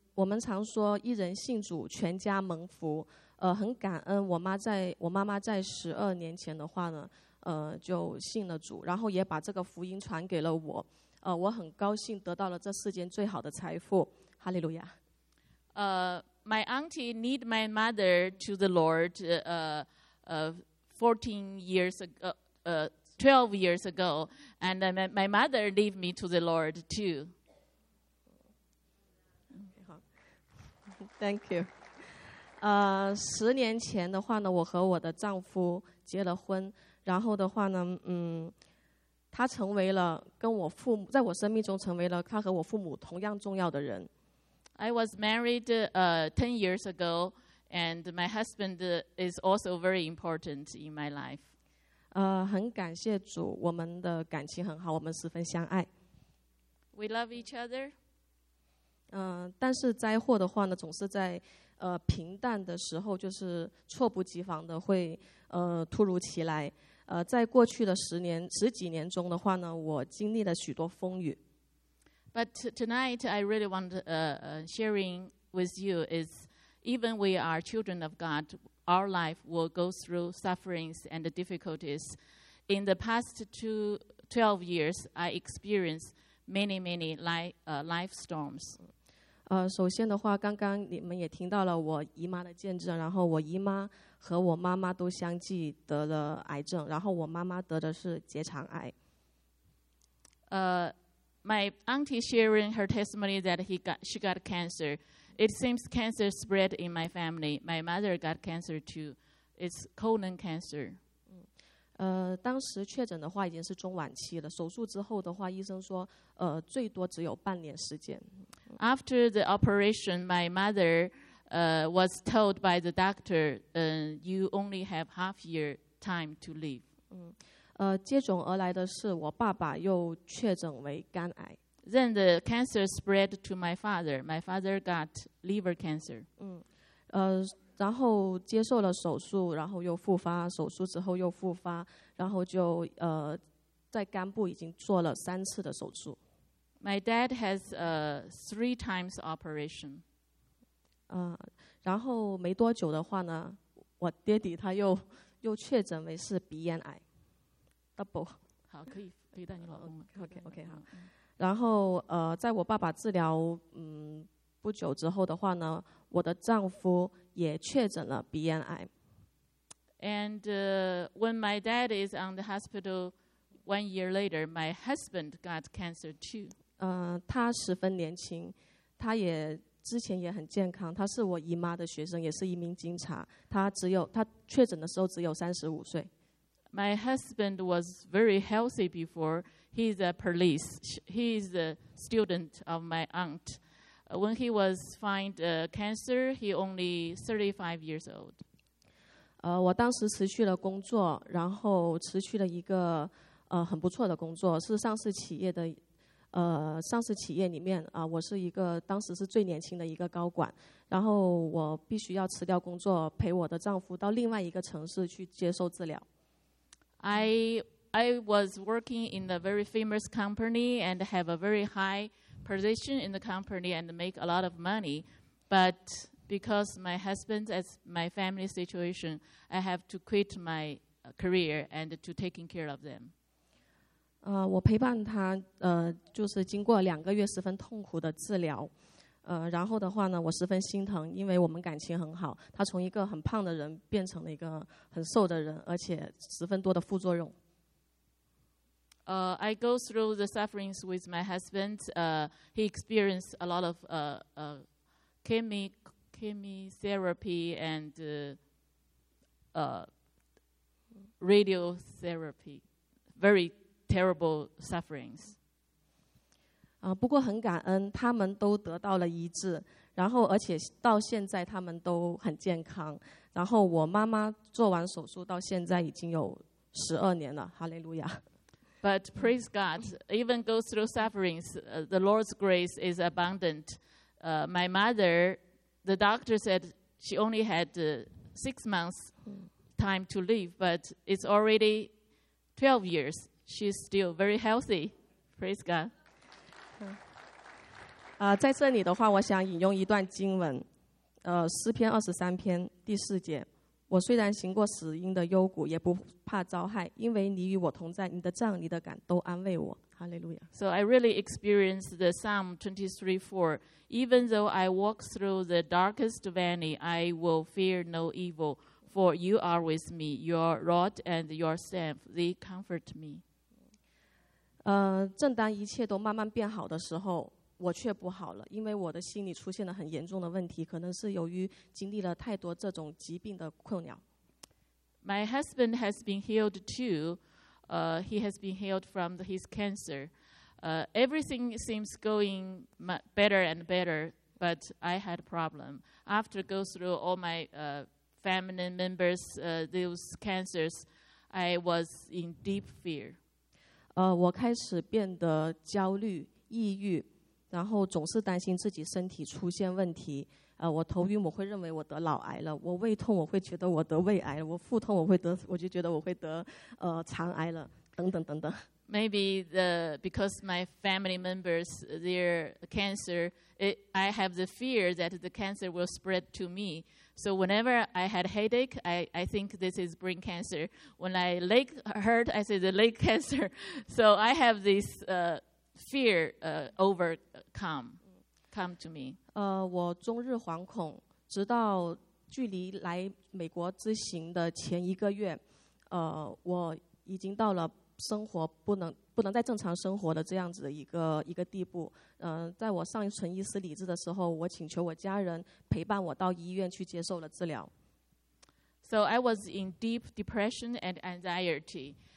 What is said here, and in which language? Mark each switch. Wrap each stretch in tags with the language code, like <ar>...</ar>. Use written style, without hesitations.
<zh>我们常说一人信主，全家蒙福。很感恩我妈妈在12年前的话呢，就信了主，然后也把这个福音传给了我。我很高兴得到了这世间最好的财富。哈利路亚。</zh> <en>My auntie led my mother to the Lord 12 years ago, and my mother led me to the Lord too. Okay, thank you.</en> <zh>十年前的话呢，我和我的丈夫结了婚，然后的话呢，他成为了跟我父母在我生命中成为了他和我父母同样重要的人。</zh> <en>I was married 10 years ago, and my husband is also very important in my life.</en> <zh>很感谢主，我们的感情很好，我们十分相爱。</zh> <en>We love each other.</en> <zh>但是灾祸的话呢，总是在平淡的时候，就是措不及防的会突如其来。在过去的十几年中的话呢，我经历了许多风雨。</zh> <en>But tonight, I really want to sharing with you is even we are children of God, our life will go through sufferings and difficulties. In the past 12 years, I experienced many, many life storms.</en> <zh>首先的话，刚刚你们也听到了我姨妈的见证，然后我姨妈和我妈妈都相继得了癌症，然后我妈妈得的是结肠癌。</zh> <en>My auntie sharing her testimony that she got cancer. It seems cancer spread in my family. My mother got cancer too. It's colon cancer.</en> <zh>当时确诊的话已经是中晚期了。手术之后的话，医生说，最多只有半年时间。</zh> <en>After the operation, my mother, was told by the doctor, you only have half year time to live.</en> <zh>接踵而来的是我爸爸又确诊为肝癌。</zh> <en>Then the cancer spread to my father. My father got liver cancer.</en> <zh>然后接受了手术，然后又复发，手术之后又复发，然后就在肝部已经做了三次的手术。</zh> <en>My dad has three times operation.</en> <zh>然后没多久的话呢，我爹地他又确诊为是鼻咽癌 ，double。好，可以带你老公了。 OK 好。然后在我爸爸治疗不久之后的话呢，我的丈夫也确诊了鼻咽癌。</zh> <en>And when my dad is on the hospital, 1 year later, my husband got cancer too.</en> <zh>他十分年轻，他也之前也很健康。他是我姨妈的学生，也是一名警察。他确诊的时候只有35岁。</zh> <en>My husband was very healthy before. He's a police. He's a student of my aunt. When he was find cancer, he only 35 years old.</en> <zh>我当时辞去了工作，然后辞去了一个很不错的工作，是上市企业的上市企业里面我是一个当时是最年轻的一个高管，然后我必须要辞掉工作，陪我的丈夫到另外一个城市去接受治疗。</zh> <en>I was working in a very famous company and have a very high. position in the company and make a lot of money, but because my husband as my family situation, I have to quit my career and to taking care of them.</en> <zh>我陪伴他，就是经过两个月十分痛苦的治疗，然后的话呢，我十分心疼，因为我们感情很好，他从一个很胖的人变成了一个很瘦的人，而且十分多的副作用。</zh> <en>I go through the sufferings with my husband. He experienced a lot of chemotherapy and radiotherapy. Very terrible sufferings.</en> <zh>不过很感恩，他们都得到了医治，然后而且到现在他们都很健康。然后我妈妈做完手术到现在已经有12年了，哈利路亚。</zh> <en>But praise God, even go through sufferings, the Lord's grace is abundant. My mother, the doctor said she only had 6 months time to live, but it's already 12 years. She's still very healthy. Praise God.</en> <zh>在这里的话，我想引用一段经文，诗篇23篇第四节。我虽然行过死荫的幽谷，也不怕遭害，因为你与我同在，你的杖、你的杆都安慰我。哈利路亚。</zh> <en>So I really experienced the Psalm 23:4. Even though I walk through the darkest valley, I will fear no evil, for you are with me. Your rod and your staff, they comfort me.</en> <zh>正当一切都慢慢变好的时候，我却不好了，因为我的心里出现了很严重的问题，可能是由于经历了太多这种疾病的困扰。</zh> <en>My husband has been healed too. He has been healed from his cancer. Everything seems going better and better, but I had a problem. After go through all my family members, those cancers, I was in deep fear.</en> <zh>我开始变得焦虑、抑郁。然后总是担心自己身体出现问题，我头晕，我会认为我得老癌了；我胃痛，我会觉得我得胃癌了；我腹痛，我就觉得我会得肠癌了，等等等等。</zh> <en>Maybe because my family members their cancer, I have the fear that the cancer will spread to me. So whenever I had headache, I think this is brain cancer. When I leg hurt, I say the leg cancer. So I have this fear overcome to me.</en> <zh>我终日惶恐，直到距离来美国之行的前一个月，我已经到了生活不能再正常生活的这样子的一个地步。在我尚存一丝理智的时候，我请求我家人陪伴我到医院去接受了治疗。</zh> <en>So I was in deep depression and anxiety.</en>